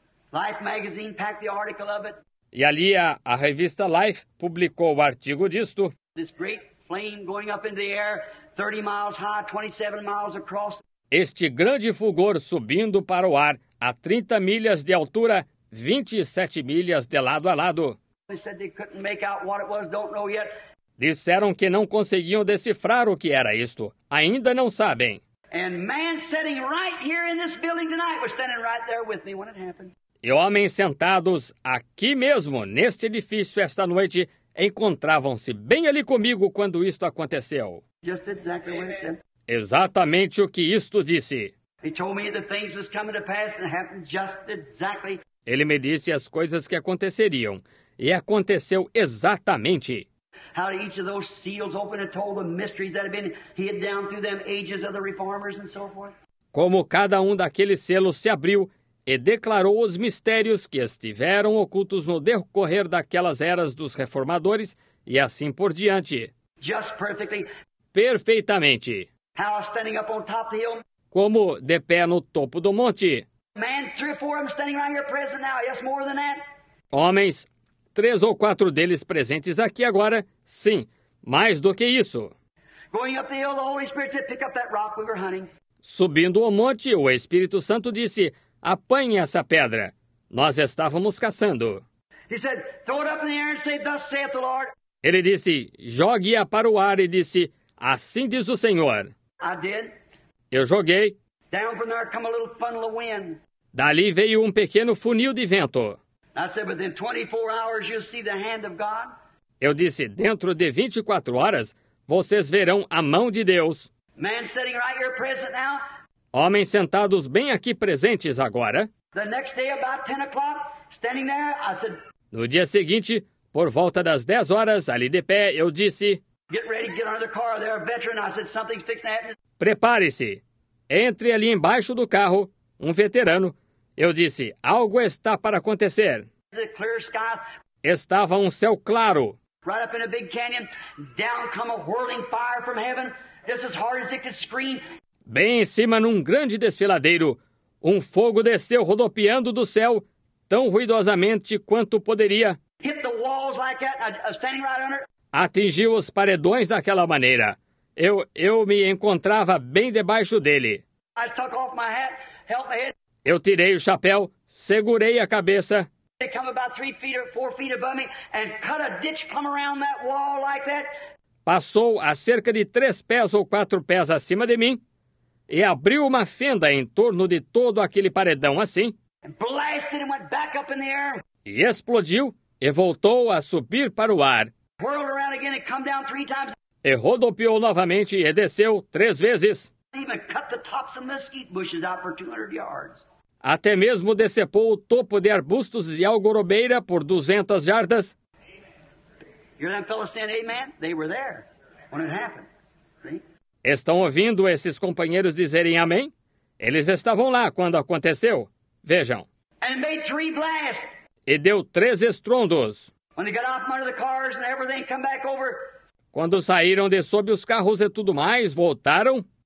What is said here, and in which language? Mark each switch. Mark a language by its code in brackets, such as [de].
[en] Life magazine packed the article of it. [pt] E ali a revista Life publicou o artigo disto. [en] This great flame going up into the air, 30 miles high, 27 miles across. [pt] Este grande fulgor subindo para o ar a 30 milhas de altura, 27 milhas de lado a lado. [en] They said they couldn't make out what it was, don't know yet. [pt] Disseram que não conseguiam decifrar o que era isto. Ainda não sabem. [en] And man sitting right here in this building tonight was standing right there with me when it happened. [pt] E homens sentados aqui mesmo, neste edifício, esta noite, encontravam-se bem ali comigo quando isto aconteceu. [en] Just exactly what it said. [pt] Exatamente o que isto disse. [en] He told me that things was coming to pass and happened just exactly. [pt] Ele me disse as coisas que aconteceriam, e aconteceu exatamente. [en] How each of those seals opened and told the mysteries that had been hid down through them ages of the reformers and so forth. [pt] Como cada daqueles selos se abriu e declarou os mistérios que estiveram ocultos no decorrer daquelas eras dos reformadores e assim por diante. [en] Just perfectly. [pt] Perfeitamente. [en] How standing up on top of the hill. [pt] Como de pé no topo do monte. [en] Man, three or four of them standing around here present now. Yes, more than that. [pt] Homens, três ou quatro deles presentes aqui agora, sim, mais do que isso. [en] Going up the hill, the Holy Spirit said, pick up that rock we were hunting. [pt] Subindo o monte, o Espírito Santo disse, apanhe essa pedra. Nós estávamos caçando. [en] He said, throw it up in the air and say, thus saith the Lord. [pt] Ele disse, jogue-a para o ar e disse, assim diz o Senhor. [en] I did. [pt] Eu joguei. [en] Down from there come a little funnel of wind. [pt] Dali veio um pequeno funil de vento. [en] I said, within 24 hours you'll see the hand of God. [pt] Eu disse, dentro de 24 horas, vocês verão a mão de Deus. [en] Man sitting right here present now. [pt] Homens sentados bem aqui presentes agora. [en] The next day, about 10 o'clock, standing there, I said, [pt] no dia seguinte, por volta das 10 horas, ali de pé, eu disse, [en] get ready, get under the car, there are veterans. I said, something's fixing to happen. [pt] Prepare-se. Entre ali embaixo do carro, um veterano. Eu disse, algo está para acontecer. [en] A clear sky. [pt] Estava um céu claro. [en] Right up in a big canyon, down come a whirling fire from heaven. Just as hard as it could scream. [pt] Bem em cima, num grande desfiladeiro, um fogo desceu rodopiando do céu, tão ruidosamente quanto poderia. [en] Hit the walls like that, standing right under. [pt] Atingiu os paredões daquela maneira. Eu me encontrava bem debaixo dele. [en] I took off my hat, held my head. [pt] Eu tirei o chapéu, segurei a cabeça. [en] They come about 3 feet or 4 feet above me and cut a ditch come around that wall like that. [pt] Passou a cerca de 3 pés ou 4 pés acima de mim. E abriu uma fenda em torno de todo aquele paredão assim. [en] Blasted and went back up in the air. [pt] E explodiu e voltou a subir para o ar. [en] Whirled around again and come down 3 times. [pt] E rodopiou novamente e desceu 3 vezes. [en] Even cut the tops of mesquite bushes out for 200 yards. [pt] Até mesmo decepou o topo de arbustos de algorobeira por 200 jardas. [en] Hear them fellas saying amen? They were there when it happened. [pt] Estão ouvindo esses companheiros dizerem amém? Eles estavam lá quando aconteceu. Vejam. [en] And made 3 blasts. [pt] E deu 3 estrondos. [en] When they got off under the cars and everything come back over. [pt] Quando saíram de sob os carros e tudo mais, voltaram.